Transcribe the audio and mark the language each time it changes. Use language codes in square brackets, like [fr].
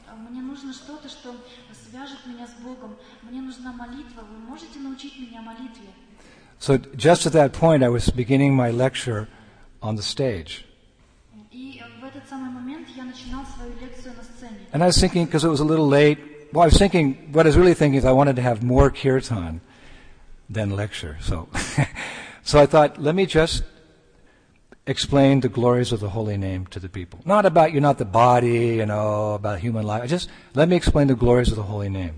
[ru] Мне нужно что-то, что свяжет меня с Богом. Мне нужна молитва. Вы можете научить меня молитве? [en] So just at that point, I was beginning my lecture on the stage. [ru] И в этот самый момент я начинал свою лекцию на сцене. [en] And I was thinking, because it was a little late, well, I was thinking, what I was really thinking is I wanted to have more kirtan than lecture. So, so I thought, let me just explain the glories of the holy name to the people. Not about you, not the body, you know, about human life. Just let me explain the glories of the holy name.